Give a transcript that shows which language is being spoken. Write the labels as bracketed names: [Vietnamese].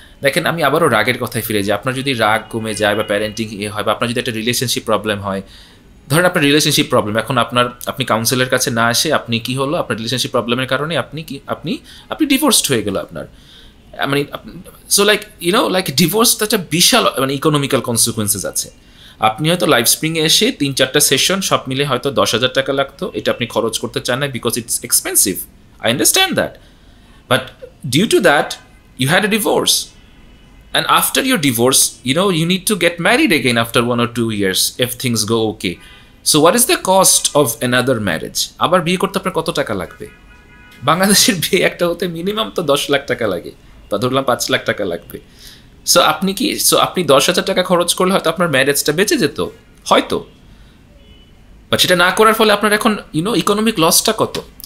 [Bangla] দেখেন আমি আবারও রাগের কথায় ফিরে যাই, আপনার যদি রাগ কমে যায় বা প্যারেন্টিং ইয়ে হয়, বা আপনার যদি একটা রিলেশনশিপ প্রবলেম হয়, ধরেন আপনার রিলেশনশিপ প্রবলেম এখন আপনার আপনি কাউন্সিলের কাছে না আসে আপনি কি হলো আপনার রিলেশনশিপ প্রবলেমের কারণে আপনি কি আপনি আপনি ডিভোর্সড হয়ে গেল আপনার, মানে so like you know like divorce তো একটা বিশাল মানে ইকোনমিক্যাল কনসিকোয়েন্সেস আছে। আপনি হয়তো লাইফ স্প্রিংয়ে এসে 3-4টা সেশন সব মিলে হয়তো 10,000 টাকা লাগতো, এটা আপনি খরচ করতে চান না [English] Because it's expensive, I understand that, but due to that you had a divorce. And after your divorce, you know, you need to get married again after 1 or 2 years if things go okay. So what is the cost of another marriage? [Bangla] আবার বিয়ে করতে আপনার কত টাকা লাগবে? বাংলাদেশের বিয়ে একটা হতে মিনিমাম তো 10 লাখ টাকা লাগে, তা ধরলাম 5 লাখ টাকা লাগবে। সো আপনি কি সো আপনি 10,000 টাকা খরচ করলে হয়তো আপনার ম্যারেজটা বেঁচে যেত, হয়তো, বা সেটা না করার ফলে আপনার এখন ইউনো ইকোনমিক লসটা কত।